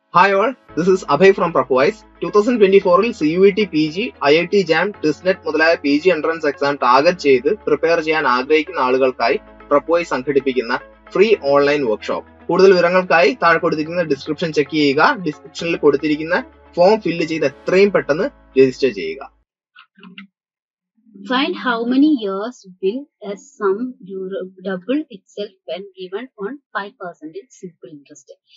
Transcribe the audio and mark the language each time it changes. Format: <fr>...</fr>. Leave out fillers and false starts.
<en>Hi all, this is Abhay from Prepwise.</en> <ml>2024 CUET PG, IIT JAM, TISNET മുതലായ PG entrance exam target ചെയ്ത് prepare ചെയ്യാൻ ആഗ്രഹിക്കുന്ന ആളുകൾക്കായി Prepwise സംഘടിപ്പിക്കുന്ന free online workshop. കൂടുതൽ വിവരങ്ങൾക്കായി താഴെ കൊടുത്തിരിക്കുന്ന ഡിസ്ക്രിപ്ഷൻ ചെക്ക് ചെയ്യുക. ഡിസ്ക്രിപ്ഷനിൽ കൊടുത്തിരിക്കുന്ന ഫോം ഫില്ല് ചെയ്ത് എത്രയും പെട്ടെന്ന് രജിസ്റ്റർ ചെയ്യുക.</ml> <en>Find how many years will a sum double itself when given on 5% in simple interest.</en>